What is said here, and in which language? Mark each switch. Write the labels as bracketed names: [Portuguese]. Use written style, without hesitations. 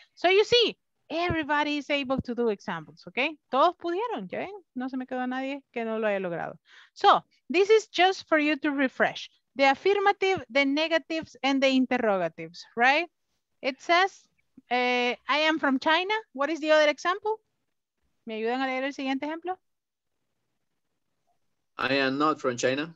[English] So you see, everybody is able to do examples, okay? [Spanish] Todos pudieron, ¿ya ven? No se me quedó nadie que no lo haya logrado. [English] So, this is just for you to refresh. The affirmative, the negatives, and the interrogatives, right? It says, I am from China. What is the other example? [Spanish] ¿Me ayudan a leer el siguiente ejemplo? [English] I am not from China.